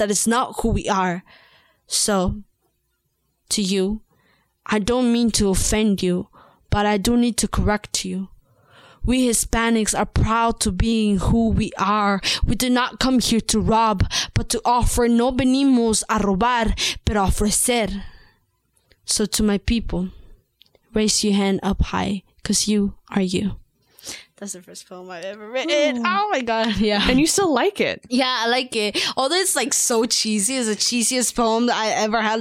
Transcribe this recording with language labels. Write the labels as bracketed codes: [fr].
[en] That is not who we are. So, to you, I don't mean to offend you, but I do need to correct you. We Hispanics are proud to being who we are. We did not come here to rob, but to offer. [es] No venimos a robar, pero ofrecer. [en] So to my people, raise your hand up high, because you are you. That's the first poem I've ever written. Ooh. Oh my God. Yeah. And you still like it. Yeah, I like it. Although it's like so cheesy. It's the cheesiest poem that I ever had.